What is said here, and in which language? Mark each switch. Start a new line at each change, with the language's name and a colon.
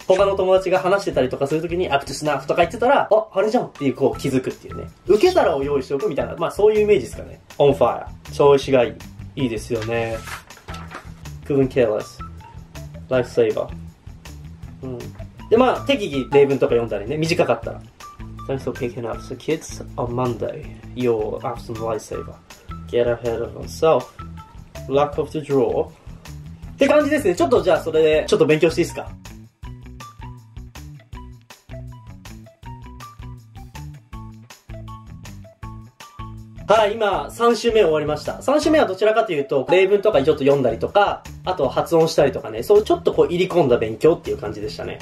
Japanese: 他の友達が話してたりとかする時にアップトゥスナフとか言ってたら、あ、あれじゃんっていう、こう気づくっていうね。受け皿を用意しておくみたいな、まあそういうイメージですかね。オンファイア、調子がいい、いいですよね。
English: couldn't care less、
Japanese: ライフセイバー、うん。で、まあ適宜例文とか読んだりね、短かったら
English: Thanks for picking up the kids on Monday. You'll have some lightsaber. Get ahead of yourself. Luck of the draw.
Japanese: って感じですね。ちょっとじゃあそれでちょっと勉強していいですか。はい、今3週目終わりました。3週目はどちらかというと例文とかちょっと読んだりとか、あと発音したりとかね、そうちょっとこう入り込んだ勉強っていう感じでしたね。